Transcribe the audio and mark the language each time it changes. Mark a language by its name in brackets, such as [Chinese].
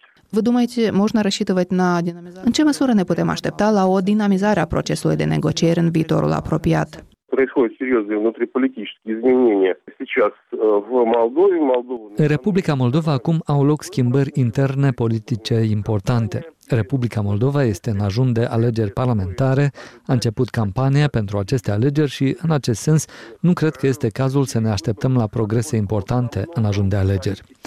[Russian] Vă думаете, можно рассчитывать на динамизацию? [Romanian] În ce măsură ne putem aștepta la o dinamizare a procesului de negocieri în viitorul apropiat? [Russian] Происходят серьезные внутриполитические изменения сейчас в Молдове. [Romanian] În Republica Moldova acum au loc schimbări interne politice importante. Republica Moldova este în ajun de alegeri parlamentare, a început campania pentru aceste alegeri și, în acest sens, nu cred că este cazul să ne așteptăm la progrese importante în ajun de alegeri.